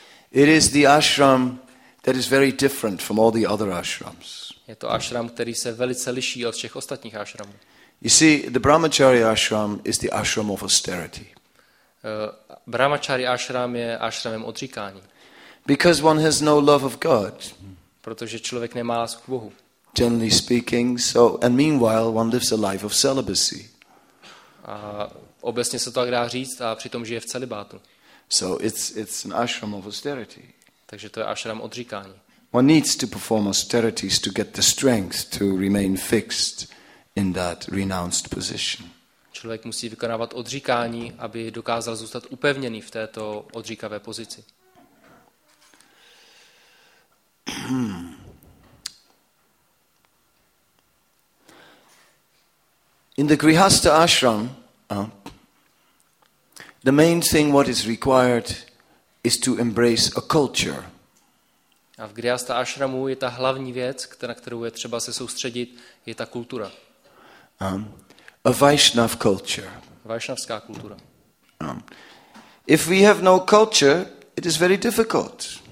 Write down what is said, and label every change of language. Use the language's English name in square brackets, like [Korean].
[English] It is the ashram that is very different from all the other ashrams. [Czech] Je to ashram, který se velice liší od všech ostatních ashramů. [English] You see, the Brahmacharya ashram is the ashram of austerity. [Czech] Brahmachari ashram je ashramem odříkání. [English] Because one has no love of God. [Czech] Protože člověk nemá lásku k Bohu. [English] Generally speaking, so and meanwhile one lives a life of celibacy. [Czech] Obecně se to tak dá říct a přitom žije v celibátu. [English] So it's an ashram of austerity. [Czech] Takže to je ashram odříkání. [English] One needs to perform austerities to get the strength to remain fixed in that renounced position. [Czech] Člověk musí vykonávat odříkání, aby dokázal zůstat upevněný v této odříkavé pozici. [English] In the Grihastha ashram, the main thing what is required is to embrace a culture. [Czech] A v Grihastha ashramu je ta hlavní věc, na kterou je třeba se soustředit, je ta kultura. [English] A Vaishnav culture. [Czech] Vaishnavská kultura. [English] If we have no culture, it is very difficult.